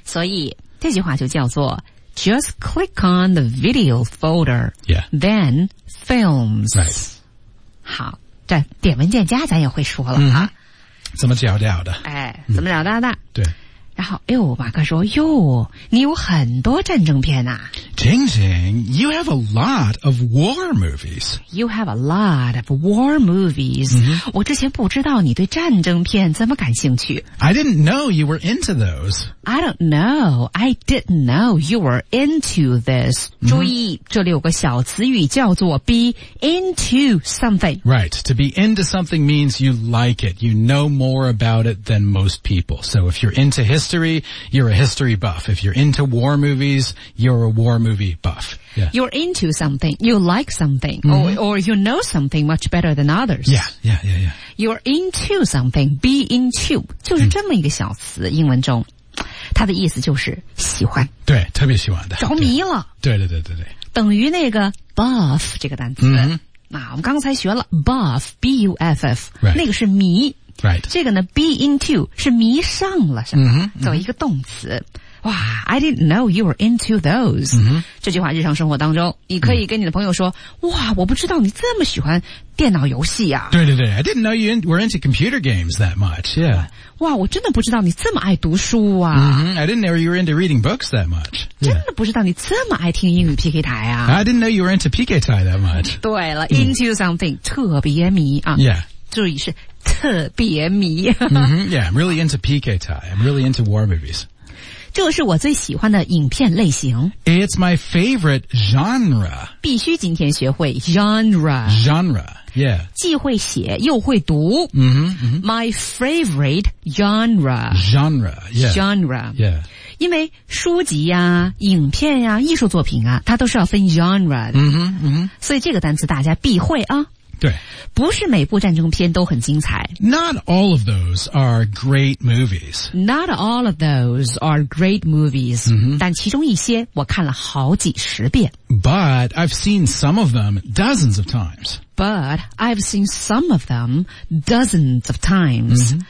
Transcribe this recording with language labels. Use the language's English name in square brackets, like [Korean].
[Chinese] 所以这句话就叫做 [English] Just click on the video folder, yeah. then films. Right. [Chinese] 好，这点文件夹咱也会说了、嗯、啊。怎么找到的？哎，怎么找到的、嗯？对。然后，哎呦，马克说：“哟，你有很多战争片呐、啊。” [English] Jing Jing, you have a lot of war movies. You have a lot of war movies.、 Mm-hmm. [Chinese] 我之前不知道你对战争片这么感兴趣。 [English] I didn't know you were into those. I don't know. I didn't know you were into this.、 Mm-hmm. [Chinese] 注意这里有个小词语叫做 [English] be into something. Right. To be into something means you like it. You know more about it than most people. So if you're into history, you're a history buff. If you're into war movies, you're a war movie buff.、Yeah. You're into something. You like something.、 Mm-hmm. Or you know something much better than others. Yeah, yeah, yeah, yeah. You're into something. Be into. [Chinese] 就是这么一个小词、 [English] mm-hmm. 英文中。 [Chinese] 他的意思就是喜欢对特别喜欢的着迷了对, 对对对对等于那个 buff 这个单词。嗯，那我们刚才学了 buff, B-U-F-F,、 [English] right. [Chinese] 那个是迷。 [English] Right. [Chinese] 这个呢 ,be into, 是迷上了什么、 [English] mm-hmm. [Chinese] 作为一个动词。 [English] 哇 ,I didn't know you were into those.、 Mm-hmm. [Chinese] 这句话日常生活当中你可以跟你的朋友说、mm-hmm. 哇我不知道你这么喜欢电脑游戏啊。 [English] 对对对 ,I didn't know you were into computer games that much, yeah. [Chinese] 哇我真的不知道你这么爱读书啊。 [English] Mm-hmm. I didn't know you were into reading books that much.、Yeah. [Chinese] 真的不知道你这么爱听英语 PK 台啊。 [English] I didn't know you were into PK 台 that much. [Chinese] 对了、mm-hmm. ,into something, 特别迷啊。 [English] Yeah. [Chinese] 注意是特别迷。 [English] mm-hmm, yeah, I'm really into PK Thai. I'm really into war movies. [Chinese] 这是我最喜欢的影片类型。 [English] It's my favorite genre. [Chinese] 必须今天学会 genre. [English] Genre, yeah. [Chinese] 既会写又会读。 [English] Mm-hmm, mm-hmm. My favorite genre. Genre, yeah. Genre. Yeah. [Chinese] 因为书籍啊影片啊艺术作品啊它都是要分 genre 的。 [English] Mm-hmm, mm-hmm. [Chinese] 所以这个单词大家必会啊。对，不是每部战争片都很精彩。 [English] Not all of those are great movies. Not all of those are great movies.、 Mm-hmm. [Chinese] 但其中一些我看了好几十遍。 [English] But I've seen some of them dozens of times. But I've seen some of them dozens of times.、